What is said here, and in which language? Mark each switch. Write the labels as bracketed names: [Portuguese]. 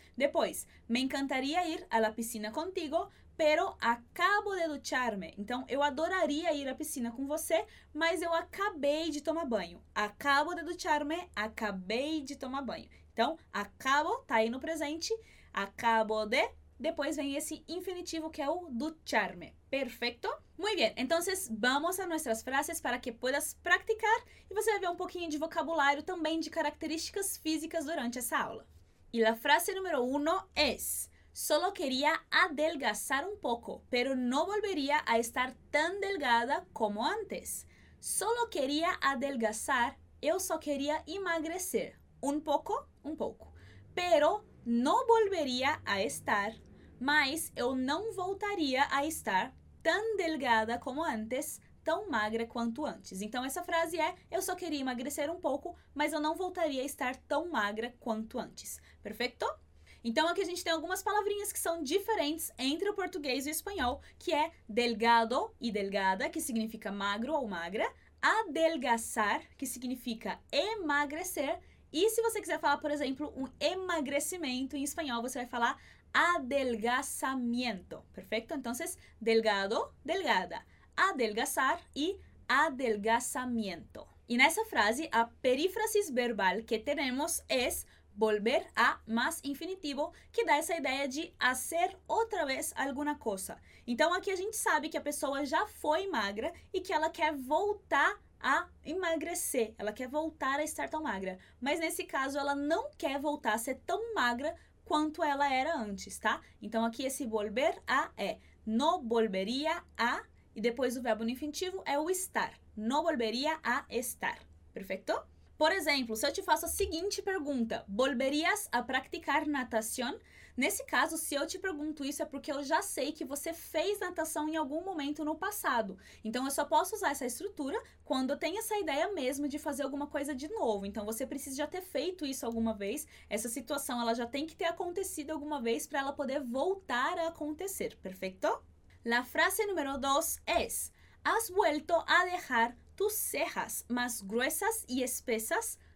[Portuguese] Depois, [Spanish] me encantaria ir à piscina contigo, pero acabo de duchar-me. [Portuguese] Então, eu adoraria ir à piscina com você, mas eu acabei de tomar banho. [Spanish] Acabo de duchar-me, [Portuguese] acabei de tomar banho. Então, acabo, tá aí no presente, acabo de. [Spanish] Después viene ese infinitivo que es ducharme. Perfecto. Muy bien, entonces vamos a nuestras frases para que puedas practicar y você va a ver un poquito de vocabulario también de características físicas durante esa aula. Y la frase número uno es: solo quería adelgazar un poco, pero no volvería a estar tan delgada como antes. Solo quería adelgazar, yo solo quería emagrecer un poco, pero no volvería a estar. [Portuguese] Mas eu não voltaria a estar tão delgada como antes, tão magra quanto antes. Então, essa frase é: eu só queria emagrecer um pouco, mas eu não voltaria a estar tão magra quanto antes. Perfeito? Então, aqui a gente tem algumas palavrinhas que são diferentes entre o português e o espanhol, que é delgado e delgada, que significa magro ou magra, adelgazar, que significa emagrecer, e se você quiser falar, por exemplo, um emagrecimento, em espanhol você vai falar adelgazamiento, perfecto. [Spanish] Entonces, delgado, delgada, adelgazar y adelgazamiento. Y en esa frase, la perífrasis verbal que tenemos es volver a más infinitivo, que da esa idea de hacer otra vez alguna cosa. Entonces, aquí [Portuguese] a gente sabe [Spanish] que [Portuguese] a pessoa [Spanish] ya fue magra y que ella [Portuguese] quer voltar a emagrecer, ela quer voltar a estar tão magra. Mas nesse caso, ela não quer voltar a ser tão magra quanto ela era antes, tá? Então aqui esse volver a é no volveria a, e depois o verbo no infinitivo é o estar. [Spanish] No volveria a estar. [Portuguese] Perfeito? Por exemplo, se eu te faço a seguinte pergunta, [Spanish] volverias a praticar [Portuguese] natação? Nesse caso, se eu te pergunto isso, é porque eu já sei que você fez natação em algum momento no passado. Então, eu só posso usar essa estrutura quando eu tenho essa ideia mesmo de fazer alguma coisa de novo. Então, você precisa já ter feito isso alguma vez. Essa situação, ela já tem que ter acontecido alguma vez para ela poder voltar a acontecer. Perfeito? [Spanish] La frase número 2 es: has vuelto a dejar tus cejas más gruesas y espesas.